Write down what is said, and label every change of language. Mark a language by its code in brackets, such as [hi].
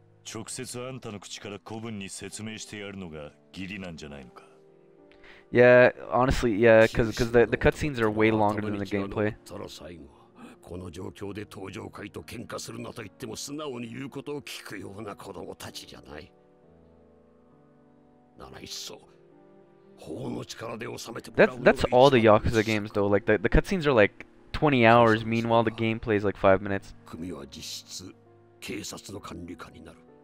[ja] 直接あんたの口から古文に説明してやるのが義理なんじゃないのか? [en] Yeah, honestly, yeah, cause the cutscenes are way longer than the gameplay. That's all the Yakuza games though. Like the cutscenes are like 20 hours, meanwhile the gameplay is like 5 minutes. [ja] 組は実質警察の管理下になる。